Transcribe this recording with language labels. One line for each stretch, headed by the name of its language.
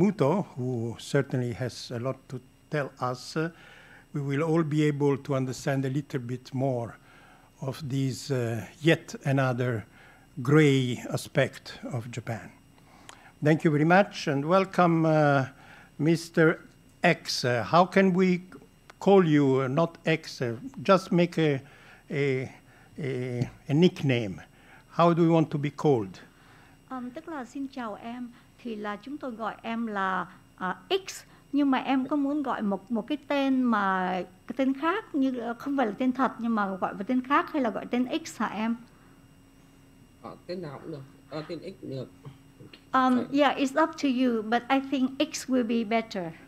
English: Muto, who certainly has a lot to tell us, we will all be able to understand a little bit more of this yet another gray aspect of Japan. Thank you very much, and welcome Mr. X. How can we call you, not X, just make a nickname? How do you want to be called?
Vietnamese: Tức là xin chào em, thì là chúng tôi gọi em là X, nhưng mà em có muốn gọi một cái tên mà cái tên khác, như không phải là tên thật, nhưng mà gọi một tên khác, hay là gọi tên X hả em? Tên nào cũng được, tên X được.
English: Yeah, it's up to you, but I think X will be better.